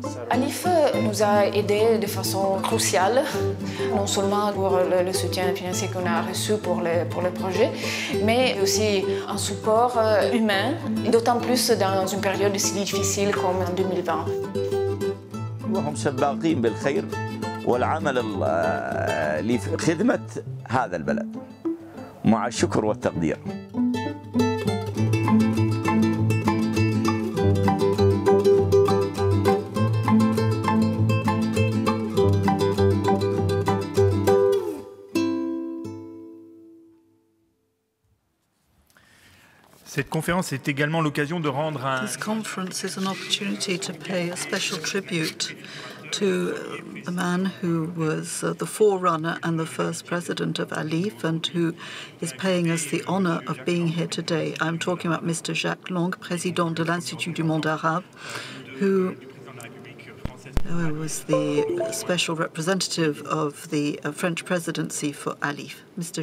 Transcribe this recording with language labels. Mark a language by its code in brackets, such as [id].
[fr] ALIPH nous a aidés de façon cruciale, non seulement pour le soutien financier qu'on a reçu pour le projet, mais aussi un support humain, d'autant plus dans une période si difficile comme en 2020. [ar] وهم شباقين بالخير والعمل لخدمة هذا البلد مع الشكر والتقدير. [fr] Cette conférence est également l'occasion de rendre un. [en] This conference is an opportunity to pay a special tribute to the man who was the forerunner and the first president of ALIPH and who is paying us the honor of being here today. I'm talking about Mr. Jacques Long, [fr] président de l'Institut du Monde Arabe, [en] who was the special representative of the French presidency for ALIPH. Mr.